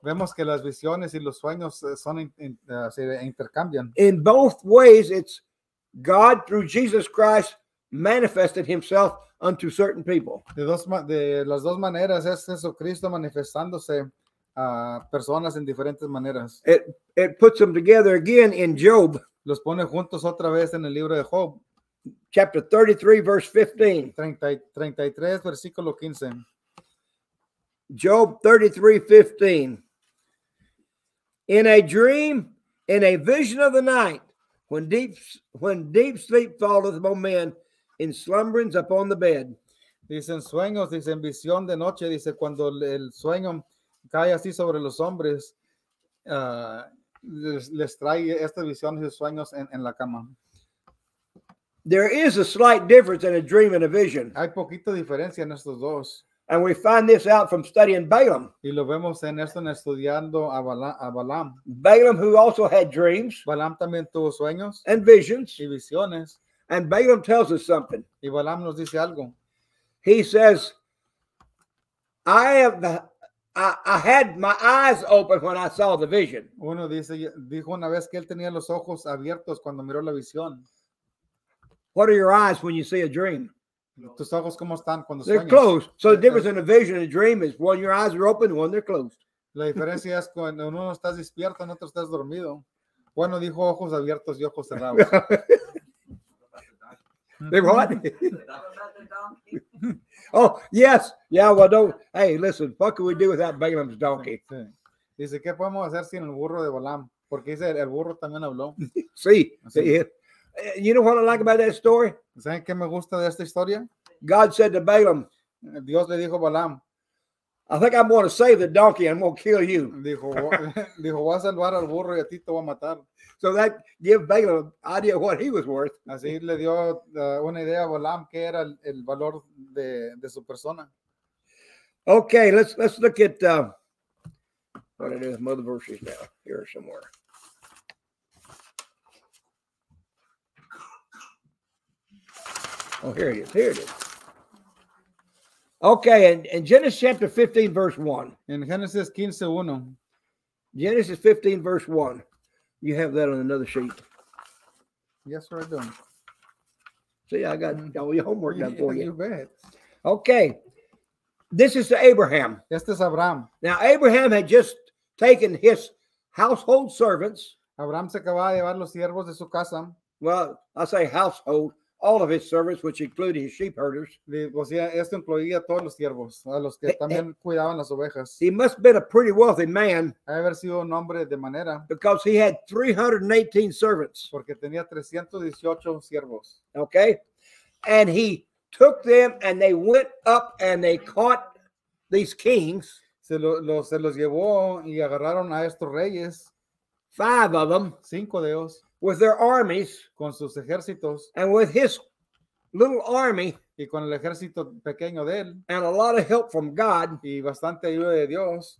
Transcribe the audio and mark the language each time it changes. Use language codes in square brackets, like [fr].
[es] Vemos que las visiones y los sueños son se intercambian. [en] In both ways, it's God through Jesus Christ manifested himself unto certain people. [es] De las dos maneras es Jesucristo manifestándose a personas en diferentes maneras. [en] It puts them together again in Job. [es] Los pone juntos otra vez en el libro de Job. [en] Chapter 33, verse 15. [es] 33, versículo 15. [en] Job 33:15. In a dream, in a vision of the night, when deep sleep falleth upon men, in slumberings upon the bed. [es] Dicen sueños, dicen visión de noche, dice cuando el sueño cae así sobre los hombres, les trae estas visiones y sueños en la cama. [en] There is a slight difference in a dream and a vision. [es] Hay poquito diferencia en estos dos. [en] And we find this out from studying Balaam. [es] Y lo vemos en esto en estudiando a Balaam. [en] Balaam, who also had dreams. [es] Balaam también tuvo sueños. [en] And visions. [es] Y visiones. [en] And Balaam tells us something. [es] Y Balaam nos dice algo. [en] He says, I had my eyes open when I saw the vision. [es] Uno dice, dijo una vez que él tenía los ojos abiertos cuando miró la visión. [en] What are your eyes when you see a dream? [es] Tus ojos cómo están cuando sueñas. [en] They're closed. So the difference in a vision and a dream is one, your eyes are open, one, they're closed. [es] La diferencia es cuando uno estás despierto, en otro estás dormido. Bueno, dijo ojos abiertos y ojos cerrados. [en] They what? Oh, yes. Yeah, well, don't. Hey, listen, what can we do without Balaam's donkey? [es] Dice, ¿qué podemos hacer sin el burro de Balaam? Porque dice, el burro también habló. Sí. [en] You know what I like about that story? [es] ¿Saben qué me gusta de esta historia? [en] God said to Balaam, [es] Dios le dijo a Balaam, [en] I think I'm going to save the donkey and I'm going to kill you. [es] Dijo, voy a salvar al burro y a ti te voy a matar. [en] So that gave Balaam an idea of what he was worth. [es] Así le dio una idea a Balaam que era el valor de su persona. [en] Okay, let's look at what it is, mother verses now, here somewhere. Oh, here it is. Here it is. Okay, in Genesis chapter 15, verse 1. In Genesis 15, 1. Genesis 15, verse 1. You have that on another sheet. Yes, sir, I do. See, I got all your homework done for you. You bet. Okay. This is to Abraham. [es] Este es Abraham. [en] Now, Abraham had just taken his household servants. [es] Abraham se acababa de llevar los siervos de su casa. [en] Well, I say household. All of his servants, which included his sheep herders. [es] O sea, esto incluía todos los siervos, a los que también cuidaban las ovejas. [en] He must have been a pretty wealthy man. [es] Haber sido un hombre de manera. [en] Because he had 318 servants. [es] Porque tenía 318 siervos. [en] Okay. And he took them and they went up and they caught these kings. [es] Se los llevó y agarraron a estos reyes. [en] Five of them. [es] Cinco de ellos. [en] With their armies, [es] con sus ejércitos, [en] and with his little army, [es] y con el ejército pequeño de él, [en] and a lot of help from God, [es] y bastante ayuda de Dios,